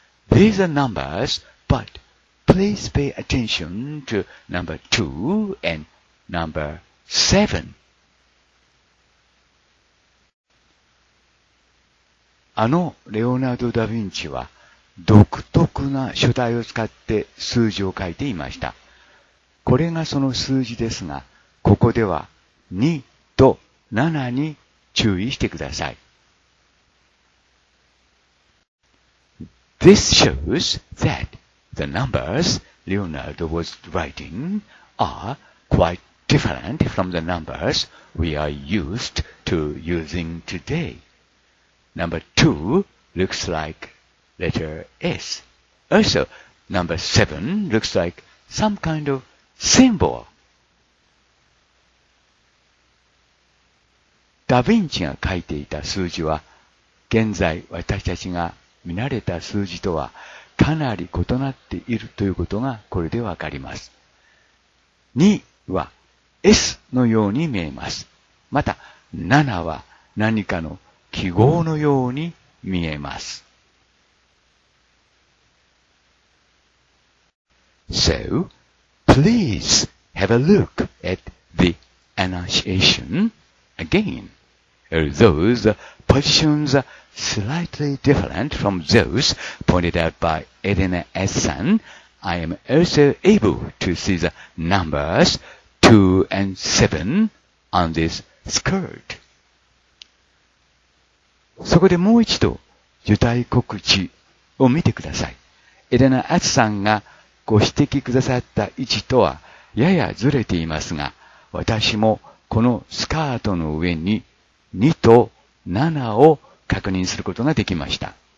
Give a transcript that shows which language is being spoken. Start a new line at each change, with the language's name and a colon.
English: These are numbers, but please pay attention to number 2 and number 7.
Japanese: あのレオナルド・ダ・ヴィンチは独特な書体を使って数字を書いていました。これがその数字ですが、ここでは2と7に注意してください。
English: This shows that the numbers Leonardo was writing are quite different from the numbers we are used to using today. Number 2 looks like letter S. Also, number 7 looks like some kind of symbol.
Japanese: ダ・ヴィンチが書いていた数字は、現在私たちが見慣れた数字とはかなり異なっているということがこれでわかります。 2は S のように見えます。また、7は何かの記号のように見えます。
English: So, please have a look at the Annunciation again. Although the positions are slightly different from those pointed out by Edina Essan, I am also able to see the numbers 2 and 7 on this skirt.
Japanese: そこでもう一度、受胎告知を見てください。エレナ・アツさんがご指摘くださった位置とはややずれていますが、私もこのスカートの上に2と7を確認することができました。